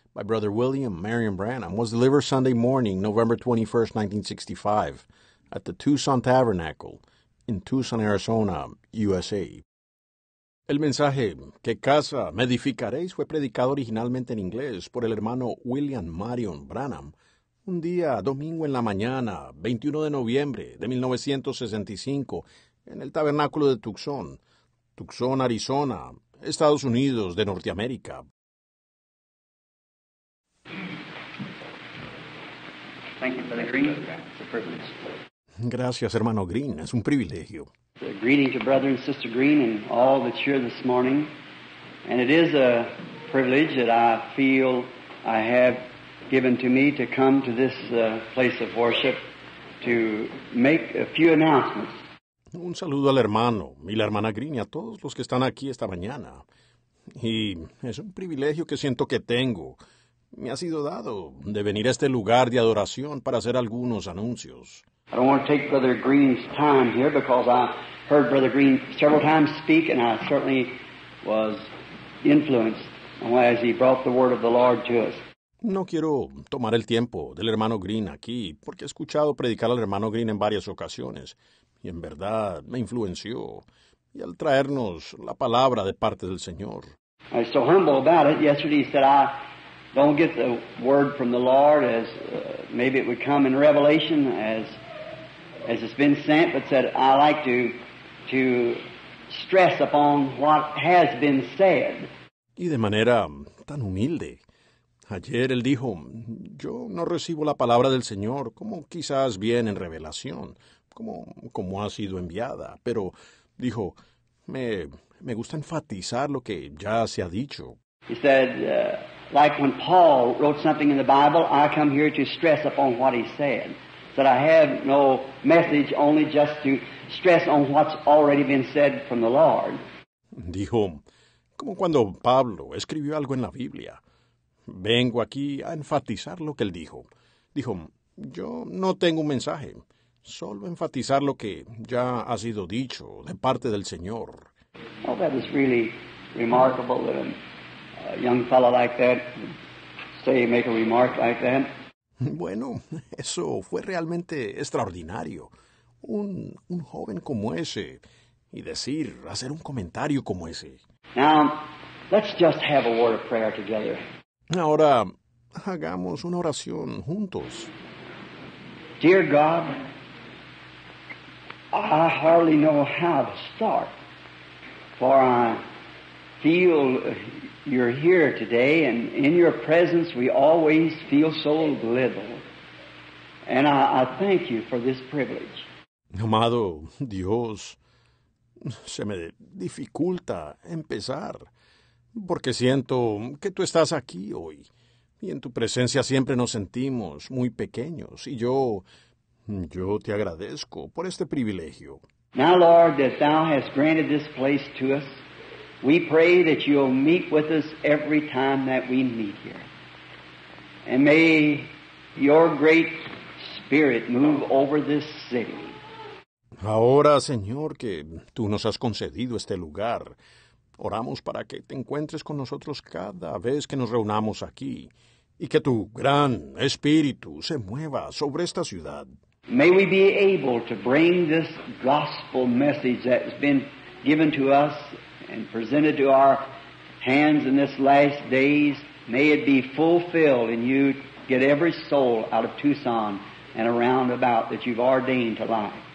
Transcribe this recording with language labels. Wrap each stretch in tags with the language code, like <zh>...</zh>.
<en>By Brother William Marion Branham, was delivered Sunday morning, November 21, 1965, at the Tucson Tabernacle in Tucson, Arizona, USA.</en> <es>El mensaje, ¿Qué casa me edificaréis?, fue predicado originalmente en inglés por el hermano William Marion Branham un día domingo en la mañana, 21 de noviembre de 1965, en el Tabernáculo de Tucson, Tucson, Arizona, Estados Unidos de Norteamérica.</es> <en>Thank you, Brother Green. It's a privilege.</en> <es>Gracias, hermano Green. Es un privilegio.</es> <en>A greeting to Brother and Sister Green and all that's here this morning. And it is a privilege that I feel I have given to me to come to this place of worship to make a few announcements.</en> <es>Un saludo al hermano y la hermana Green y a todos los que están aquí esta mañana. Y es un privilegio que siento que tengo. Me ha sido dado de venir a este lugar de adoración para hacer algunos anuncios.</es> <en>I don't want to take Brother Green's time here because I heard Brother Green several times speak and I certainly was influenced as he brought the word of the Lord to us.</en> <es>No quiero tomar el tiempo del hermano Green aquí porque he escuchado predicar al hermano Green en varias ocasiones. Y en verdad, me influenció. Y al traernos la palabra de parte del Señor.</es> <en>I was so humble about it. Yesterday he said, I don't get the word from the Lord as maybe it would come in Revelation as it's been sent, but said, I like to stress upon what has been said.</en> <es>Y de manera tan humilde. Ayer él dijo, yo no recibo la palabra del Señor como quizás viene en Revelación. Como ha sido enviada, pero dijo, me gusta enfatizar lo que ya se ha dicho.</es> <en>He said, like when Paul wrote something in the Bible, I come here to stress upon what he said. That I have no message, only just to stress on what's already been said from the Lord.</en> <es>Dijo, como cuando Pablo escribió algo en la Biblia, vengo aquí a enfatizar lo que él dijo. Dijo, yo no tengo un mensaje. Solo enfatizar lo que ya ha sido dicho de parte del Señor.</es> <en>Oh, that is really remarkable that a young fellow like that say make a remark like that.</en> <es>Bueno, eso fue realmente extraordinario. Un joven como ese y decir, hacer un comentario como ese.</es> <en>Now, let's just have a word of prayer together.</en> <es>Ahora, hagamos una oración juntos.</es> <en>Dear God, I hardly know how to start, for I feel you're here today, and in your presence we always feel so little. And I thank you for this privilege.</en> <es>Amado Dios, se me dificulta empezar, porque siento que tú estás aquí hoy, y en tu presencia siempre nos sentimos muy pequeños, y yo te agradezco por este privilegio.</es> <en>Now, Lord, that thou hast granted this place to us, we pray that you'll meet with us every time that we meet here. And may your great spirit move over this city.</en> <es>Ahora, Señor, que tú nos has concedido este lugar, oramos para que te encuentres con nosotros cada vez que nos reunamos aquí y que tu gran espíritu se mueva sobre esta ciudad.</es> <en>May we be able to bring this gospel message that has been given to us and presented to our hands in this last days. May it be fulfilled and you get every soul out of Tucson and around about that you've ordained to life.</en>